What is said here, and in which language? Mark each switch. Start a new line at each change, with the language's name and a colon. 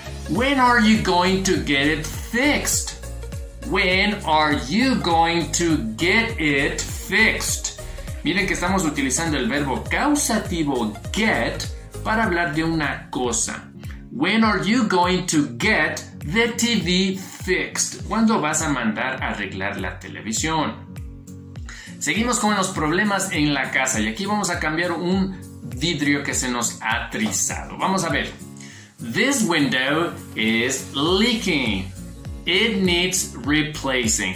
English: When are you going to get it fixed? When are you going to get it fixed?
Spanish: Miren que estamos utilizando el verbo causativo get para hablar de una cosa.
English: When are you going to get the TV fixed?
Spanish: ¿Cuándo vas a mandar a arreglar la televisión? Seguimos con los problemas en la casa y aquí vamos a cambiar un vidrio que se nos ha trizado. Vamos a ver.
English: This window is leaking. It needs replacing.